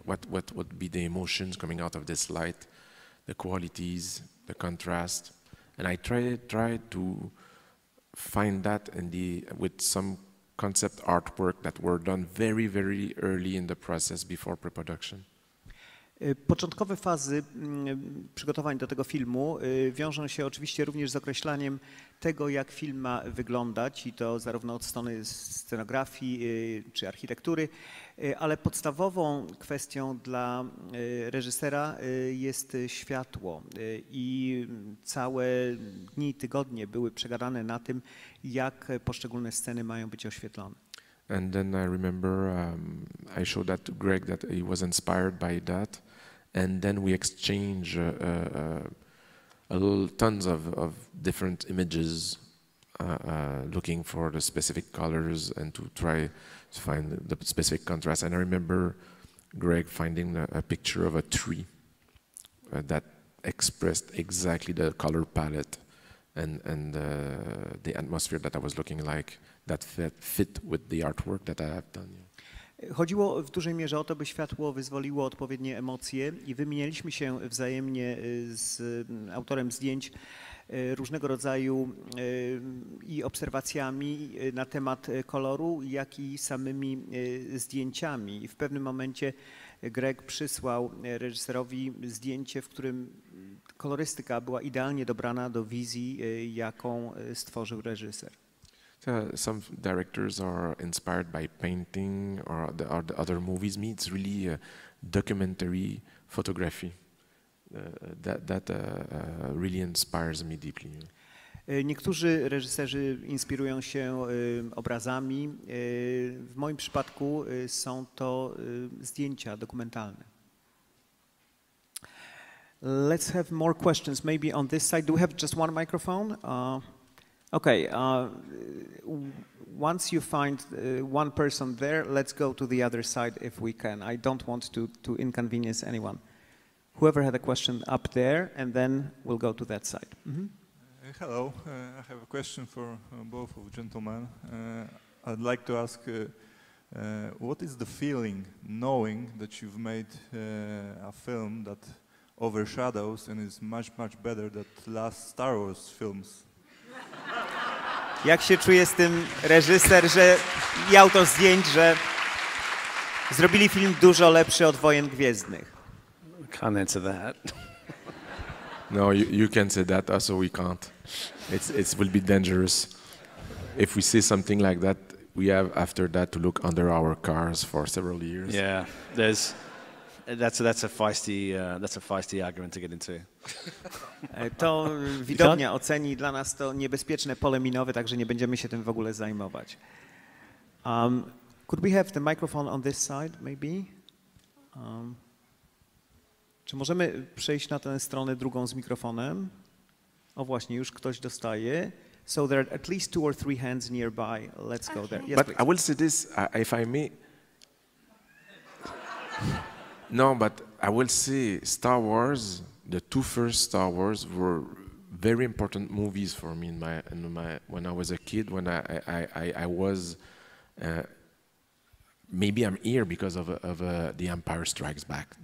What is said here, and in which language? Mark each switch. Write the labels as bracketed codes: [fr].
[en] What would be the emotions coming out of this light, the qualities, the contrast, And I try to find that in the with some concept artwork that were done very, very early in the process before pre-production. [pl] Początkowe fazy przygotowań do tego filmu wiążą się oczywiście również z określaniem tego, jak film ma wyglądać I to zarówno od strony scenografii czy architektury, ale podstawową kwestią dla reżysera jest światło I całe dni, tygodnie były przegadane na tym, jak poszczególne sceny mają być oświetlone. [en] And then I remember I showed that to Greig that he was inspired by that. And then we exchange tons of different images, looking for the specific colors and to try to find the specific contrast. And I remember Greig finding a picture of a tree that expressed exactly the color palette and the atmosphere that I was looking like that fit with the artwork that I have done. Yeah. [pl] Chodziło w dużej mierze o to, by światło wyzwoliło odpowiednie emocje I wymienialiśmy się wzajemnie z autorem zdjęć różnego rodzaju I obserwacjami na temat koloru, jak I samymi zdjęciami. I w pewnym momencie Greig przysłał reżyserowi zdjęcie, w którym kolorystyka była idealnie dobrana do wizji, jaką stworzył reżyser. [en] Some directors are inspired by painting or the other movies. Me, it's really a documentary photography that really inspires me deeply. [pl] Niektórzy reżyserzy inspirują się obrazami. W moim przypadku są to zdjęcia dokumentalne. [en] Let's have more questions. Maybe on this side, do we have just one microphone? Okay, once you find one person there, let's go to the other side if we can. I don't want to inconvenience anyone. Whoever had a question up there, and then we'll go to that side. Mm-hmm. Hello, I have a question for both of gentlemen. I'd like to ask, what is the feeling knowing that you've made a film that overshadows and is much, much better than last Star Wars films? [pl] Jak się czuje z tym reżyser, że I autor zdjęć, że zrobili film dużo lepszy od Wojen Gwiezdnych? [en] Can't answer that. No, you can say that, also we can't. It will be dangerous. If we see something like that, we have after that to look under our cars for several years. Yeah, that's a feisty argument to get into. [pl] To widownia oceni, dla nas to niebezpieczne pole minowe, także nie będziemy się tym w ogóle zajmować. [en] Could we have the microphone on this side, maybe? [pl] Czy możemy przejść na tę stronę drugą z mikrofonem? O właśnie, już ktoś dostaje. [en] So there are at least two or three hands nearby. Let's go there. Yes, but please. I will say this, if I may. No, but I will say Star Wars, the two first Star Wars were very important movies for me when I was a kid, when I was, maybe I'm here because of The Empire Strikes Back.